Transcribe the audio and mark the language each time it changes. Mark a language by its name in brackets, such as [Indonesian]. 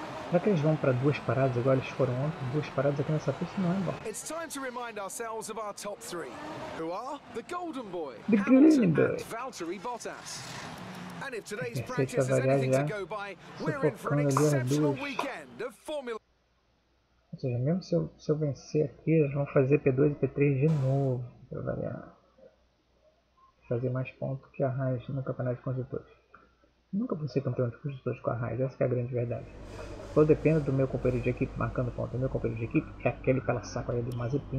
[Portuguese] Será que eles vão para duas paradas igual eles foram ontem? Duas paradas aqui nessa pista não é bom. [English] It's time to remind ourselves of our top three, who are the Golden Boy, the Green Boy, Valtteri Bottas. And if today's practice is anything to go by, we're in for an exceptional weekend of Formula. [Portuguese] Ou seja, mesmo se eu vencer aqui, eles vão fazer P2 e P3 de novo para variar. Fazer mais pontos que a Haas no campeonato de construtores. Nunca vou ser campeão de construtores com a Haas, essa que é a grande verdade. Só depende do meu companheiro de equipe marcando ponto. O meu companheiro de equipe é aquele pela saco aí do Mazepin.